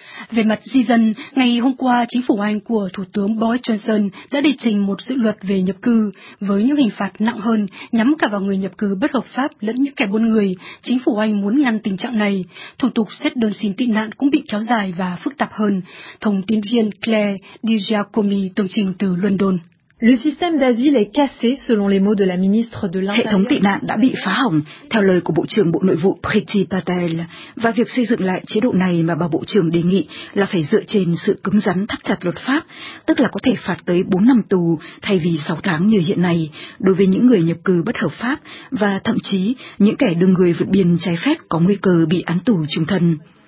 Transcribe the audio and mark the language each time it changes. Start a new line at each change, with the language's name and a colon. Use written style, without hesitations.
Vietnamese: Về mặt di dân, ngày hôm qua, chính phủ Anh của Thủ tướng Boris Johnson đã đệ trình một dự luật về nhập cư với những hình phạt nặng hơn nhắm cả vào người nhập cư bất hợp pháp lẫn những kẻ buôn người. Chính phủ Anh muốn ngăn tình trạng này. Thủ tục xét đơn xin tị nạn cũng bị kéo dài và phức tạp hơn. Thông tin viên Claire DiGiacomi tường trình từ London.
French: Le système d'asile est cassé, selon les mots de la ministre de l'Intérieur.
Vietnamese: Hệ thống tị nạn đã bị phá hỏng, theo lời của Bộ trưởng Bộ Nội vụ Priti Patel. Và việc xây dựng lại chế độ này mà bà Bộ trưởng đề nghị là phải dựa trên sự cứng rắn thắt chặt luật pháp, tức là có thể phạt tới 4 năm tù thay vì 6 tháng như hiện nay, đối với những người nhập cư bất hợp pháp và thậm chí những kẻ đưa người vượt biên trái phép có nguy cơ bị án tù chung thân.